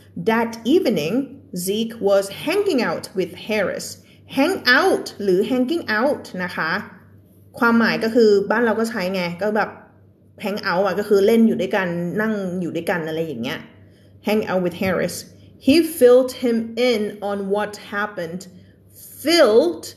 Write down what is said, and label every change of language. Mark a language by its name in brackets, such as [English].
[English] That evening, Zeke was hanging out with Harris. Hang out [Thai] หรือ hanging out นะคะความหมายก็คือบ้านเราก็ใช้ไงก็แบบhang out อ่ะก็คือเล่นอยู่ด้วยกันนั่งอยู่ด้วยกันอะไรอย่างเงี้ย [English] hang out with Harris he filled him in on what happened filled